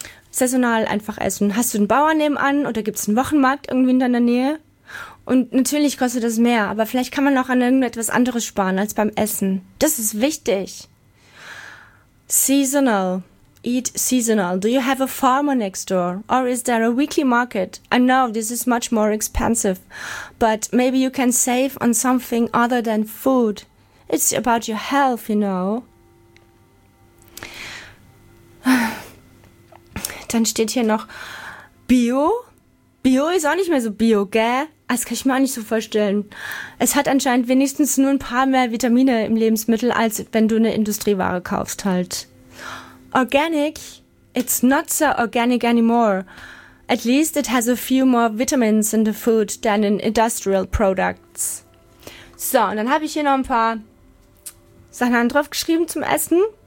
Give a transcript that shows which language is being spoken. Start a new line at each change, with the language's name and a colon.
German: Saisonal einfach essen. Hast du einen Bauern nebenan oder gibt es einen Wochenmarkt irgendwie in deiner Nähe? Und natürlich kostet das mehr, aber vielleicht kann man auch an irgendetwas anderes sparen als beim Essen. Das ist wichtig.
English: Seasonal. Eat seasonal. Do you have a farmer next door? Or is there a weekly market? I know this is much more expensive, but maybe you can save on something other than food. It's about your health, you know.
German: Dann steht hier noch Bio. Bio ist auch nicht mehr so bio, gell? Das kann ich mir auch nicht so vorstellen. Es hat anscheinend wenigstens nur ein paar mehr Vitamine im Lebensmittel, als wenn du eine Industrieware kaufst halt.
English: Organic, it's not so organic anymore. At least it has a few more vitamins in the food than in industrial products.
German: So, und dann habe ich hier noch ein paar Sachen draufgeschrieben zum Essen.